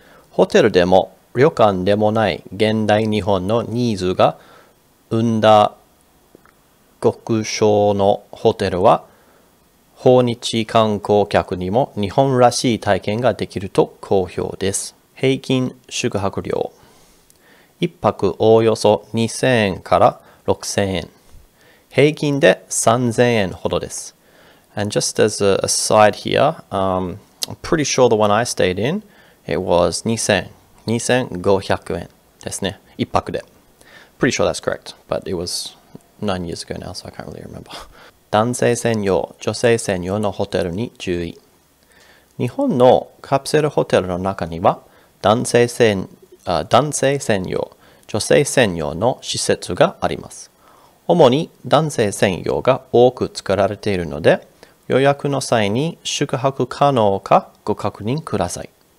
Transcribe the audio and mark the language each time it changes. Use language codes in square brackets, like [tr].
[ja] ホテルでも旅館でもない現代日本のニーズが生んだ極小のホテルは、訪日観光客にも日本らしい体験ができると好評です。平均宿泊料、1泊およそ2000円から6000円、平均で3000円ほどです。 [en] And just as a side here, I'm pretty sure the one I stayed in, it was [ja] 2500円ですね、1泊で。 [en] Pretty sure that's correct, but it was 9 years ago now, so I can't really remember. [ja] 男性専用、女性専用のホテルに注意。日本のカプセルホテルの中には、男性専用、女性専用の施設があります。主に男性専用が多く作られているので、予約の際に宿泊可能かご確認ください。